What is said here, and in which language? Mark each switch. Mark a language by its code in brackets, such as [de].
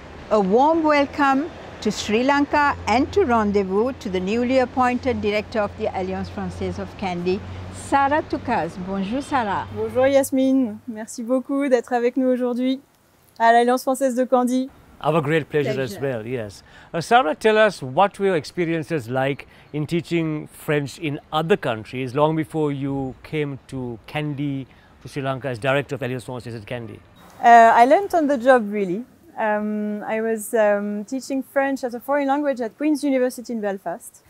[en] A warm welcome to Sri Lanka and to Rendezvous to the newly appointed director of the Alliance Française of Kandy, Sarah Toucas. [fr] Bonjour Sarah. Bonjour Yasmin. Merci beaucoup d'être avec nous aujourd'hui à l'Alliance Française de Kandy. [en] Our great pleasure. Thank as you. Well, yes. Sarah, tell us, what were your experiences like in teaching French in other countries long before you came to Kandy, to Sri Lanka, as director of Alliance Française at Kandy? I learned on the job, really. I was teaching French as a foreign language at Queen's University in Belfast.